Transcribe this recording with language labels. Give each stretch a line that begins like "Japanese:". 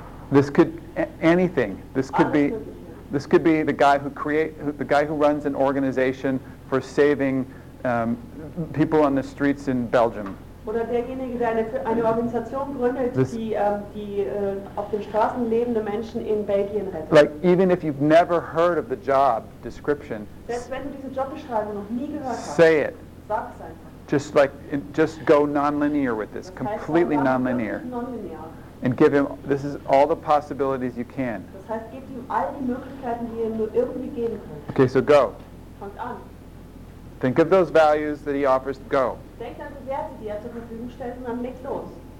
English: This could anything. This could be the guy who runs an organization for saving people on the streets in Belgium.
German: Oder derjenige, der eine Organisation gründet, die auf den Straßen lebende Menschen in Belgien rettet.
English: Like, even if you've never heard of the job description,
German: selbst wenn du diese Jobbeschreibung noch nie gehört hast,
English: say it.
German: Sag es einfach.
English: Just go non-linear with this, completely non-linear. And give him, this is all the possibilities you can.
German: Das heißt, gib ihm all die Möglichkeiten, die er nur irgendwie geben kann.
English: Okay, so go.
German: Fangt an.
English: Think of those values that he offers, go.
German: Denk an die Werte, die er zur Verfügung stellt, und dann leg los.